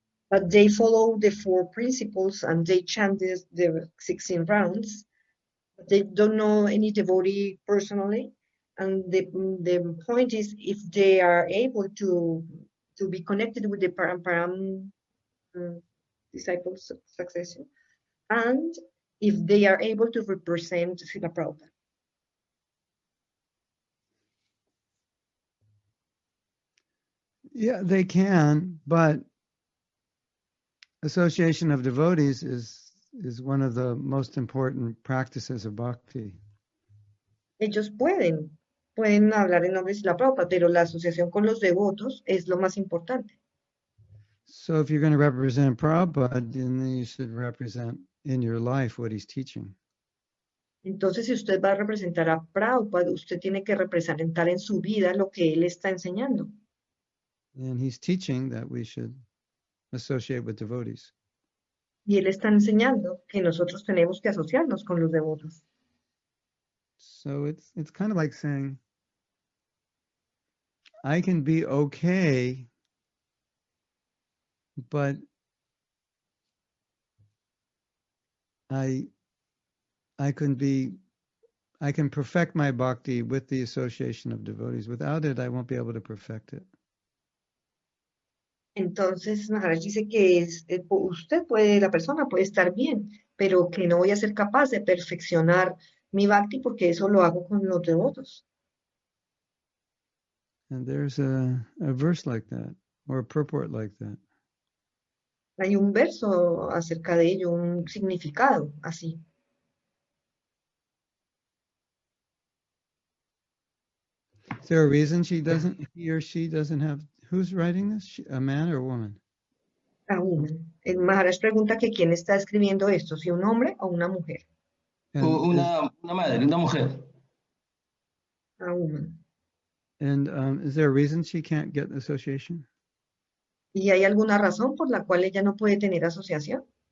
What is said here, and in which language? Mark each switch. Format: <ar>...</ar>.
<en>but they follow the four principles and they chant the 16 rounds, but they don't know any devotee personally, and the point is if they are able to be connected with the Paramparam disciples succession, and if they are able to represent Srila Prabhupada. Yeah, they can, but association of devotees is one of the most important practices of bhakti.</en> <es>Ellos pueden hablar en nombre de Srila Prabhupada, pero la asociación con los devotos es lo más importante.</es> <en>So if you're going to represent Prabhupada, then you should represent in your life what he's teaching.</en> <es>Entonces, si usted va a representar a Prabhupada, usted tiene que representar en su vida lo que él está enseñando.</es> <en>And he's teaching that we should associate with devotees.</en> <es>Y él está enseñando que nosotros tenemos que asociarnos con los devotos.</es> <en>So it's kind of like saying, I can be okay, but I couldn't be I can perfect my bhakti with the association of devotees. Without it, I won't be able to perfect it.</en> <es>Entonces Maharaj dice que usted puede, la persona puede estar bien, pero que no voy a ser capaz de perfeccionar mi bhakti porque eso lo hago con los devotos.</es> <en>And there's a verse like that, or a purport like that.</en> <es>Hay un verso acerca de ello, un significado así.</es> <en>Is there a reason she doesn't, he or she doesn't have, who's writing this? She, a man or a woman? A woman.</en> <es>El Maharaj pregunta que quién está escribiendo esto, si un hombre o una mujer. Una madre, una mujer.</es> <en>A woman. And is there a reason she can't get an association?</en> <es>¿Y hay alguna razón por la cual ella no puede tener asociación?</es>